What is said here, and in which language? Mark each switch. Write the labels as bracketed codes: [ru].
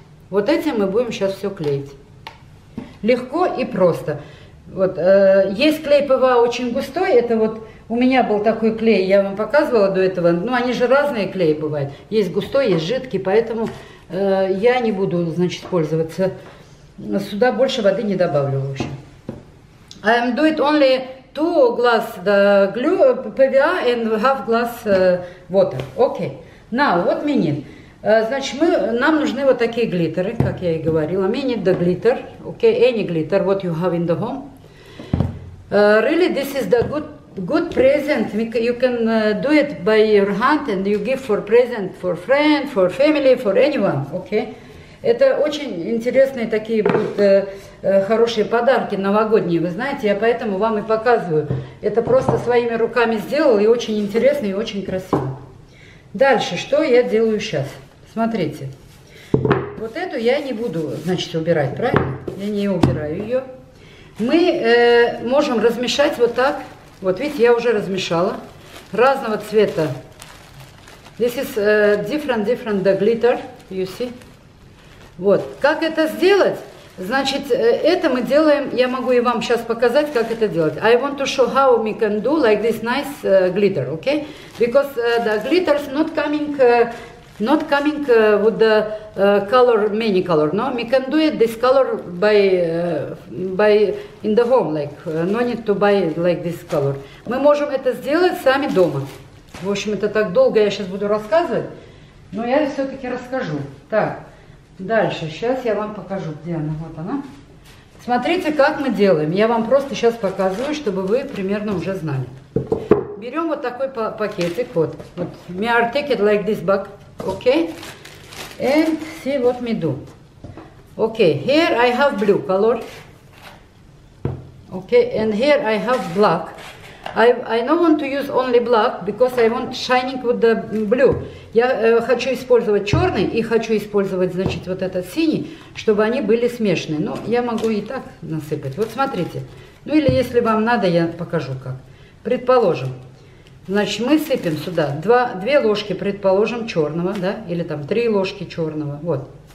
[ru] Вот этим мы будем сейчас все клеить. Легко и просто. Вот, есть клей ПВА очень густой. Это вот у меня был такой клей, я вам показывала до этого. Ну, они же разные клеи бывают. Есть густой, есть жидкий. Поэтому я не буду, значит, пользоваться. Сюда больше воды не добавлю, в общем. [en] I do it only two glass the glue PVA and half glass water. Okay. Now, what we need? [ru] Значит, нам нужны вот такие глиттеры, как я и говорила. [en] We need the glitter. Okay, any glitter, what you have in the home. Really, this is the good present. You can do it by your hand and you give for present for friend, for family, for anyone. Okay. [ru] Это очень интересные такие будут хорошие подарки новогодние, вы знаете, я поэтому вам и показываю. Это просто своими руками сделал, и очень интересно, и очень красиво. Дальше, что я делаю сейчас? Смотрите, вот эту я не буду, значит, убирать, правильно? Я не убираю ее. Мы можем размешать вот так. Вот видите, я уже размешала. Разного цвета. [en] This is different the glitter, you see. [ru] Вот, как это сделать? Значит, это мы делаем, я могу и вам сейчас показать, как это делать. [en] I want to show how we can do like this nice glitter, okay? Because the glitter is not coming not coming with the color, many color. No, we can do it this color by in the home, like no need to buy like this color. [ru] Мы можем это сделать сами дома. В общем, это так долго, я сейчас буду рассказывать, но я все-таки расскажу. Так, дальше, сейчас я вам покажу, где она, вот она. Смотрите, как мы делаем. Я вам просто сейчас показываю, чтобы вы примерно уже знали. Берем вот такой пакетик, вот. [en] Вот. We are taking like this bag, okay? And see what we do. Okay, here I have blue color. Okay, and here I have black. I don't want to use only black, because I want shining with the blue. [ru] Я хочу использовать черный и хочу использовать, значит, вот этот синий, чтобы они были смешаны. Но я могу и так насыпать. Вот смотрите. Ну или если вам надо, я покажу как. Предположим. Значит, мы сыпем сюда 2 ложки, предположим, черного, да, или там 3 ложки черного. Вот.